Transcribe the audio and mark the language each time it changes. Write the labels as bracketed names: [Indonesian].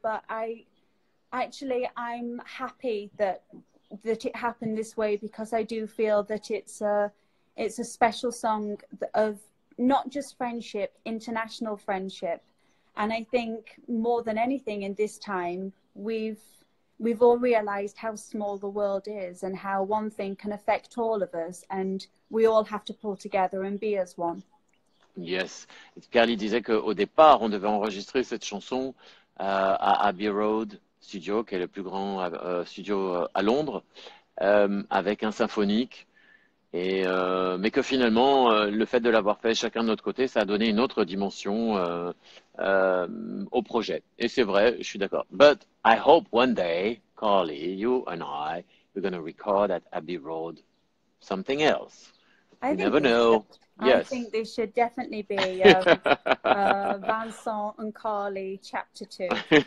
[English] But I'm happy that it happened this way, because I do feel that it's a special song of not just friendship, international friendship. And I think more than anything in this time, we've all realized how small the world is and how one thing can affect all of us. And we all have to pull together and be as one. Yes. [French] Carly disait qu'au départ, on devait enregistrer cette chanson à Abbey Road Studio, qui est le plus grand studio à Londres, avec un symphonique. Mais que finalement, le fait de l'avoir fait chacun de notre côté, ça a donné une autre dimension au projet. Et c'est vrai, je suis d'accord. [English] But I hope one day, Carly, you and I, we're going to record at Abbey Road something else. You never know. Yes. I think there should definitely be Vincent and Carly chapter 2, for sure.